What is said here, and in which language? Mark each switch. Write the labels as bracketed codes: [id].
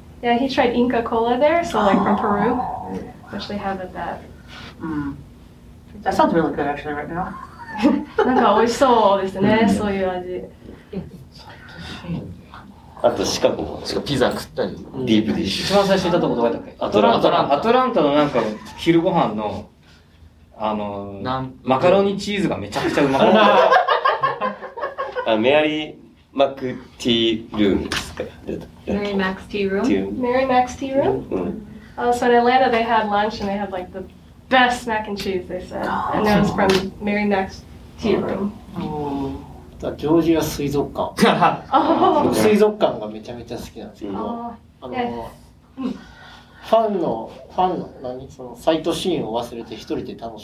[en] Yeah, he tried Inca Cola there, so like from Peru, which they have at that. That sounds really good actually right now. [ja] なんか美味しそうですね、そういう味。あとシカゴピザ食ったり、ディープディッシュ。一番最初に行ったとこどこだったっけ？アトランタのなんか昼ご飯の、マカロニチーズがめちゃくちゃうまかった。あメアリーマックティールームですか。メアリーマックティールーム。メアリーマックティールーム。 [en] So in Atlanta they had lunch and they had like the best mac and cheese they said. And that was from Mary Mac's tea room. [ja] ジョージア水族館。水族館がめちゃめちゃ好きなんですけど、ファンの何そのサイトシーンを忘れて一人で楽し